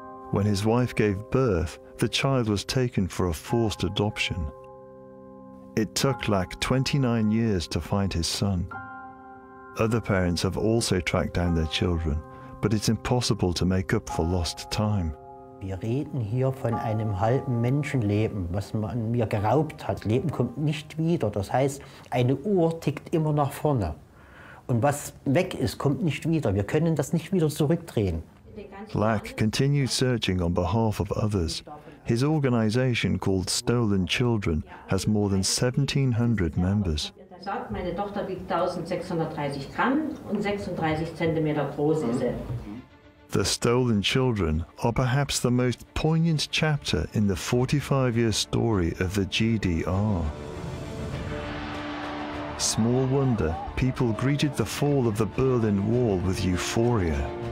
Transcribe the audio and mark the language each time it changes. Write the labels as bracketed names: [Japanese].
[English] When his wife gave birth, the child was taken for a forced adoption. It took Lack 29 years to find his son. Other parents have also tracked down their children, but it's impossible to make up for lost time. [German] Wir reden hier von einem halben Menschenleben, was man mir geraubt hat. Leben kommt nicht wieder. Das heißt, eine Uhr tickt immer nach vorne. Und was weg ist, kommt nicht wieder. Wir können das nicht wieder zurückdrehen. [English] Lack continued searching on behalf of others. His organization called Stolen Children has more than 1700 members. [German] Meine Tochter wiegt 1630 Gramm und 36 Zentimeter groß ist sie. [English] The Stolen Children are perhaps the most poignant chapter in the 45-year story of the GDR. Small wonder people greeted the fall of the Berlin Wall with euphoria.